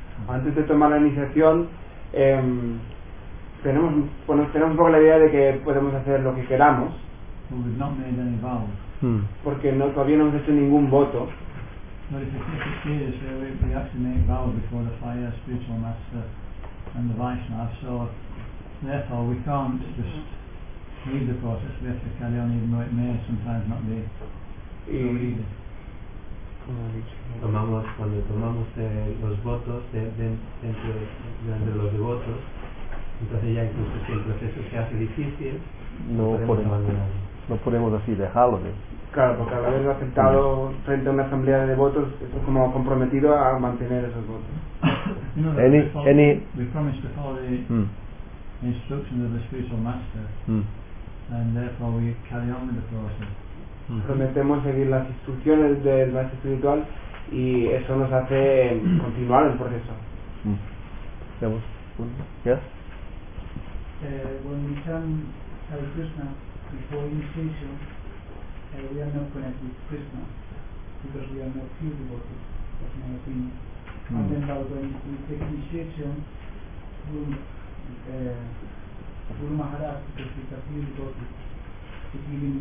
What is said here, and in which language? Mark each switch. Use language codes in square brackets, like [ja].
[es] Antes de tomar la iniciación, tenemos un poco la idea de que podemos hacer lo que queramos. [en] We've not made any vows. [es] Porque no, todavía no hemos hecho ningún voto. [en] But if it's the case, we actually make vows before the fire, spiritual master and the Vaishnava. So therefore we can't just leave the process, we have to carry on even though it may sometimes not be so easy. [es] Tomamos, cuando tomamos los votos de los devotos, entonces ya incluso si el proceso se hace difícil, no podemos así dejarlo, ¿eh? Claro, porque al haberlo aceptado frente a una asamblea de devotos, esto es como comprometido a mantener esos votos. [en] We promised to follow the instructions of the spiritual master, and therefore we carry on with the process. [es] Prometemos seguir las instrucciones del maestro espiritual y eso nos hace continuar el proceso. ¿Tenemos un? ¿Yes? [en] When we chant Hare Krishna before initiation, we are not connected with Krishna because we are not pure devotees, that's my opinion. And then about when we take initiation, Guru Maharaj, because he's a pure devotee,